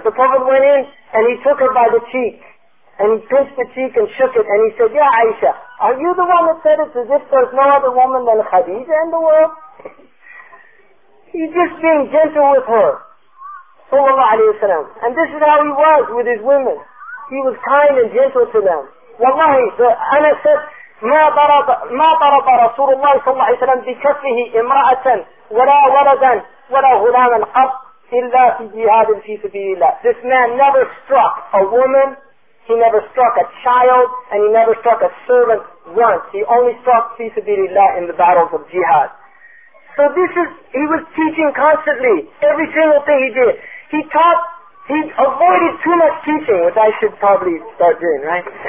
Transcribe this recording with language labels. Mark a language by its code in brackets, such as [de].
[en] The Prophet went in, and he took her by the cheek, and he pinched the cheek and shook it, and he said, yeah, Aisha, are you the one that said it's as if there's no other woman than Khadija in the world? He's just being gentle with her. Sallallahu alayhi wa sallam. And this is how he was with his women. He was kind and gentle to them. Wallahi, Anas said, [ar] ما ضرب رسول الله صلى الله عليه وسلم بكفه امرأة ولا ولدا ولا غلاما قط إلا في جهاد في سبيل الله. [en] This man never struck a woman. He never struck a child, and he never struck a servant once. He only struck fi sabilillah in the battles of jihad. So this is, he was teaching constantly, every single thing he did. He taught, he avoided too much teaching, which I should probably start doing, right?